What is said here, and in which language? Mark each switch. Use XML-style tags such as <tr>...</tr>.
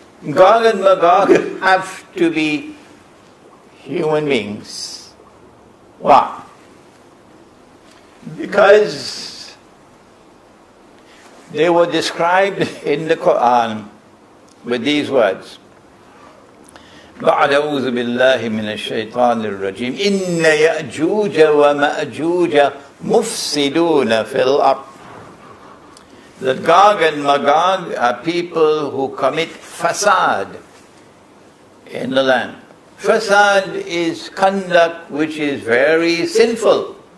<en>Gog and Magog have to be human beings. Why? Because they were described in the Quran with these words.</en> <ar>أعوذ بالله من الشيطان الرجيم إن يأجوج ومأجوج مفسدون في الأرض.</ar> <en>That Gog and Magog are people who commit fasad in the land. Fasad is conduct which is very sinful.</en>